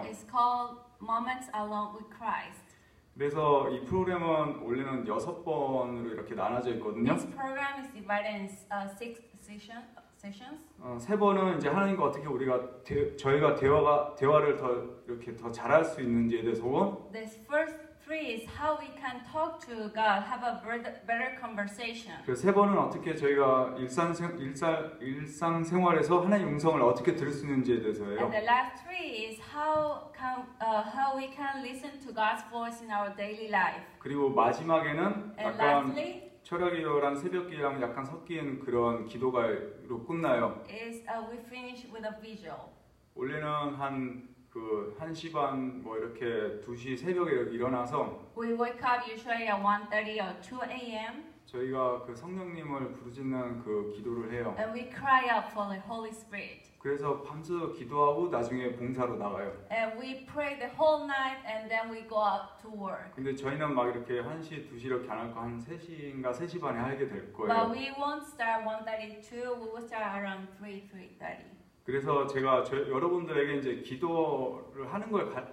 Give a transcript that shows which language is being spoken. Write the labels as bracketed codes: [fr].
[en] It's called Moments Alone with Christ. [ko] 그래서 이 프로그램은 원래는 여섯 번으로 이렇게 나눠져 있거든요. [en] This program is divided in six sessions. [ko] 세 번은 이제 하나님과 어떻게 우리가 저희가 대화를 더 이렇게 더 잘할 수 있는지에 대해서. [en] The first three is how we can talk to God, have a better conversation. [ko] 그 세 번은 어떻게 저희가 일상 생활에서 하나님의 음성을 어떻게 들을 수 있는지에 대해서예요. [en] And the last three is how we can listen to God's voice in our daily life. [ko] 그리고 마지막에는 약간 철학이랑 새벽기랑 약간 섞인 그런 기도가로 끝나요. [en] Is we finish with a visual. [ko] 원래는 한 그 1시 반 뭐 이렇게 2시 새벽에 일어나서 [en] We wake up usually at 1:30 or 2 a.m. [ko] 저희가 그 성령님을 부르짖는 그 기도를 해요. [en] And we cry out for the Holy Spirit. [ko] 그래서 밤새 기도하고 나중에 봉사로 나가요. [en] And we pray the whole night and then we go out to work. [ko] 근데 저희는 막 이렇게 1시, 2시 이렇게 안 할 거 한 3시인가 3시 반에 하게 될 거예요. [en] But we won't start 1:30, 2. We will start around 3:30. [ko] 그래서 제가 여러분들에게 이제 기도를 하는 걸